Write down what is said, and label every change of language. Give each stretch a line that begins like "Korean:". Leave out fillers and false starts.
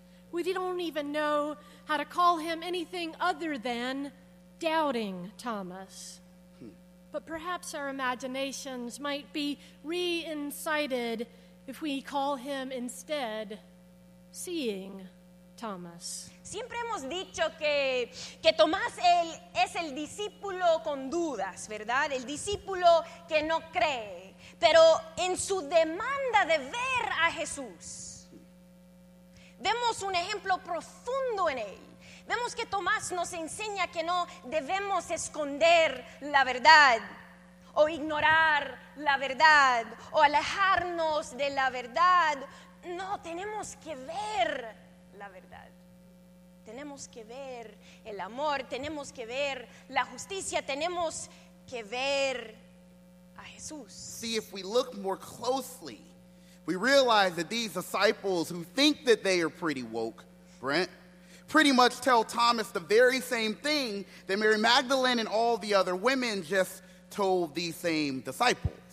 English: We don't even know how to call him anything other than doubting Thomas. But perhaps our imaginations might be re-incited if we call him instead seeing Thomas.
Spanish: Siempre hemos dicho que Tomás es el discípulo con dudas, ¿verdad? El discípulo que no cree. Pero en su demanda de ver a Jesús, vemos un ejemplo profundo en él. Vemos que Tomás nos enseña que no debemos esconder la verdad, o ignorar la verdad, o alejarnos de la verdad. No, tenemos que ver la verdad. Tenemos que ver el amor, tenemos que ver la justicia, tenemos que ver a Jesús.
English: See, if we look more closely, we realize that these disciples who think that they are pretty woke, Brent, pretty much tell Thomas the very same thing that Mary Magdalene and all the other women just told these same disciples.